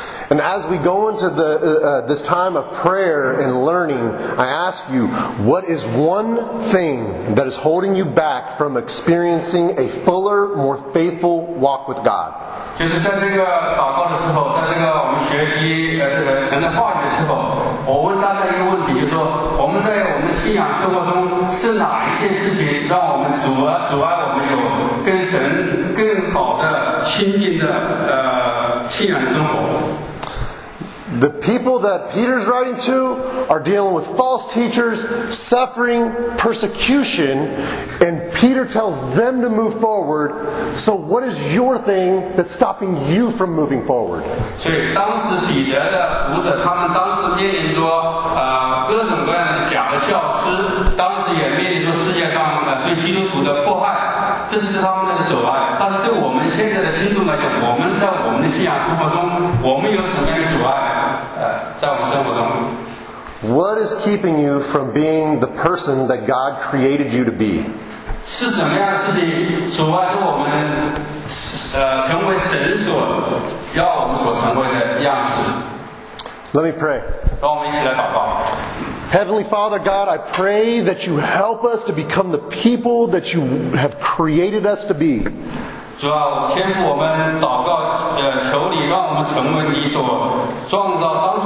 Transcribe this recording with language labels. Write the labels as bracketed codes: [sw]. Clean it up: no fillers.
[en] And as we go into this time of prayer and learning, I ask you, what is one thing that is holding you back from experiencing a fuller, more faithful walk with God? [zh] 就是在这个祷告的时候，在这个我们学习神的话语的时候，我问大家一个问题，就是说我们在我们信仰生活中是哪一件事情让我们阻碍我们有跟神更好的亲近的信仰生活？ [en] The people that Peter's writing to are dealing with false teachers, suffering, persecution, and Peter tells them to move forward. So what is your thing that's stopping you from moving forward? [zh] 所以当时彼得的读者他们当时面临着各种各样的假的教师，当时也面临着世界上对基督徒的迫害，这是他们的阻碍。但是对我们现在的听众来讲，我们在我们的信仰生活中，我们有什么样的阻碍？ [en] What is keeping you from being the person that God created you to be? [zh] 是什么样的事情阻碍着我们成为神所要我们所成为的样式？ [en] Let me pray. [zh] 让我们一起来祷告。 [en] Heavenly Father God, I pray that you help us to become the people that you have created us to be. [zh] 主啊，天父，我们祷告，求你让我们成为你所创造。